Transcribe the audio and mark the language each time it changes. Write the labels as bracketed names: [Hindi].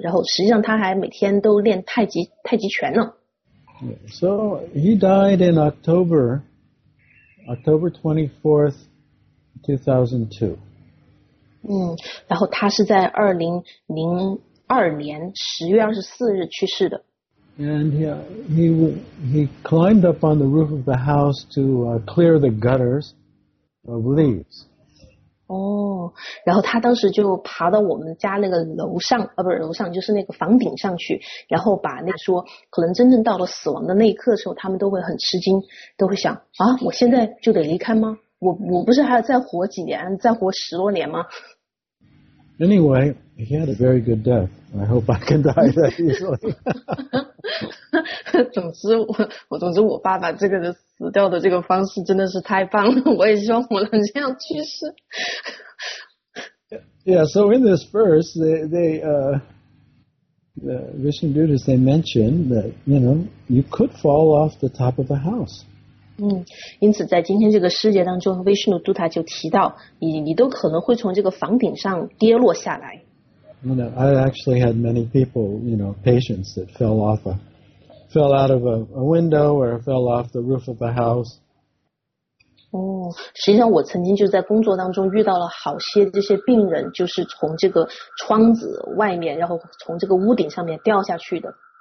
[Chinese] 然后实际上他还每天都练太极拳呢。 [English] So he died in October 24th, 2002. [Chinese] 然后他是在2002年10月24日去世的。 [English] And he climbed up on the roof of the house to clear the gutters of leaves. [Chinese] 然后他当时就爬到我们家那个楼上，不是楼上，就是那个房顶上去，然后把那说，可能真正到了死亡的那一刻的时候，他们都会很吃惊，都会想啊，我现在就得离开吗？我不是还要再活几年，再活十多年吗？ [English] Anyway, he had a very good death. I hope I can die that easily. [Chinese] 总之我爸爸这个人死掉的这个方式真的是太棒了，我也希望我能这样去世。 [English] Yeah, so in this verse, the Vishnudutas, they mentioned that, you know, you could fall off the top of a house. [Chinese] 因此在今天这个世界当中 ,Vishnududutta 就提到你都可能会从这个房顶上跌落下来。 [English] You know, I actually had many people, you know, patients that fell out of a window or fell off the roof of a house. [Chinese] 实际上我曾经就在工作当中遇到了好些这些病人，就是从这个窗子外面，然后从这个屋顶上面掉下去的。